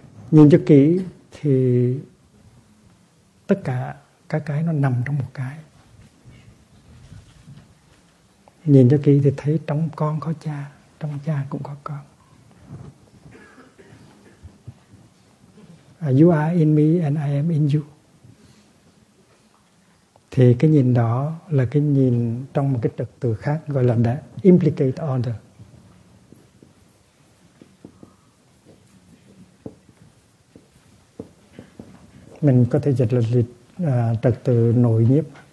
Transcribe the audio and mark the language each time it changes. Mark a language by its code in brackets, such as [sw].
[vi] Nhìn cho kỹ thì tất cả các cái nó nằm trong một cái. Nhìn cho kỹ thì thấy trong con có cha, trong cha cũng có con. [en] You are in me and I am in you. [vi] Thì cái nhìn đó là cái nhìn trong một cái trật tự khác gọi là the implicate order. Mình có thể dịch là trật tự nội nhiếp.